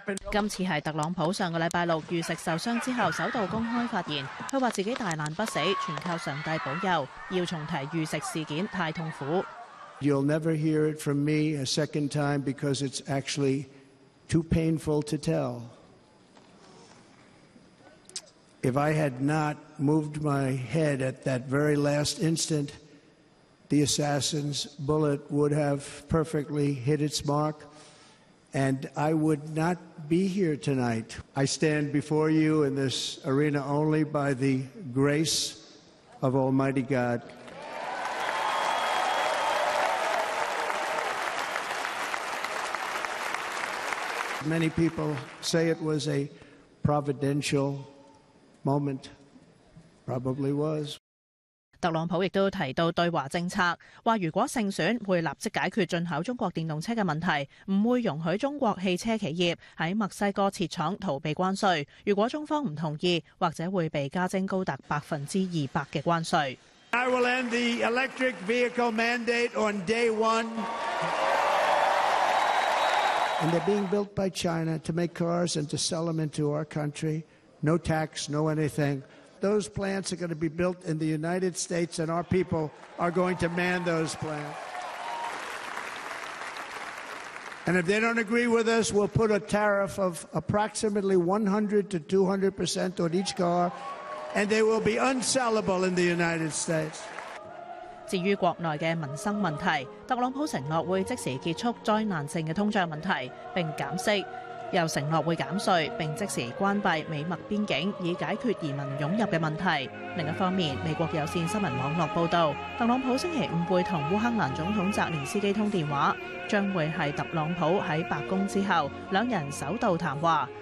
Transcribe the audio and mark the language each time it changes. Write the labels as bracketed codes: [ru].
[yue] 今次是特朗普上个礼拜六遇食受伤之后首度公开发言，他说自己大难不死，全靠上帝保佑，要重提遇食事件太痛苦。 [en] You'll never hear it from me a second time because it's actually too painful to tell. If I had not moved my head at that very last instant, the assassin's bullet would have perfectly hit its mark. And I would not be here tonight. I stand before you in this arena only by the grace of Almighty God. Many people say it was a providential moment. Probably was. [yue] 特朗普亦都提到对华政策，话如果胜选会立即解决进口中国电动车的问题，不会容许中国汽车企业在墨西哥设厂逃避关税，如果中方不同意，或者会被加征高达200%的关税。 [en] I will end the electric vehicle mandate on day one. And they're being built by China to make cars and to sell them into our country. No tax, no anything. Those plants are going to be built in the United States, and our people are going to man those plants. And if they don't agree with us, we'll put a tariff of approximately 100% to 200% on each car, and they will be unsellable in the United States. [yue] 至於國內的民生問題，特朗普承諾會即時結束災難性的通脹問題，並減息。又承諾會減稅並即時關閉美墨邊境以解決移民湧入的問題。另一方面，美國有線新聞網絡報導，特朗普星期五會和烏克蘭總統澤連斯基通電話，將會是特朗普在白宮之後兩人首度談話。